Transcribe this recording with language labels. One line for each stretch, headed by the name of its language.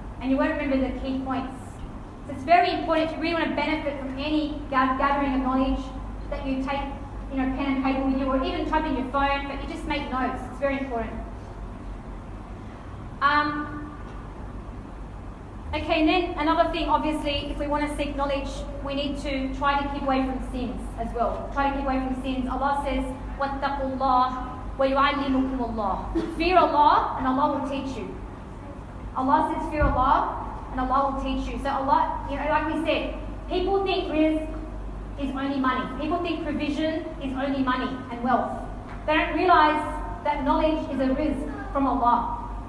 English: And you won't remember the key points. So it's very important, if you really want to benefit from any gathering of knowledge, that you take, you know, pen and paper with you, or even type in your phone, but you just make notes. It's very important. Okay, and then another thing, obviously, if we want to seek knowledge, we need to try to keep away from sins as well. Try to keep away from sins. Allah says,
Arabic: وَاتَّقُوا اللَّهِ وَيُعَلِّمُكُمُ اللَّهِ.
English: Fear Allah and Allah will teach you. Allah says, fear Allah and Allah will teach you. So Allah, you know, like we said, people think risk is only money. People think provision is only money and wealth. They don't realize that knowledge is a risk from Allah.